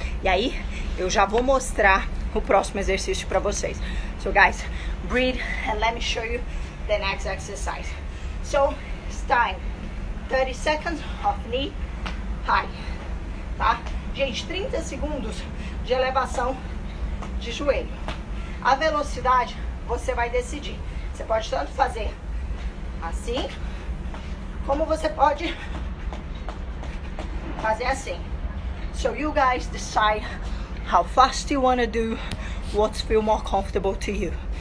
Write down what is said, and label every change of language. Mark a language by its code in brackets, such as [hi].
[pt] E aí, eu já vou mostrar o próximo exercício pra vocês. [en] So, guys, breathe and let me show you the next exercise. So, it's time. 30 seconds of knee high. Tá? [pt] Gente, 30 segundos de elevação de joelho. A velocidade, você vai decidir. Você pode tanto fazer assim, como você pode fazer assim. [en] So, you guys decide how fast you want to do, what feels more comfortable to you.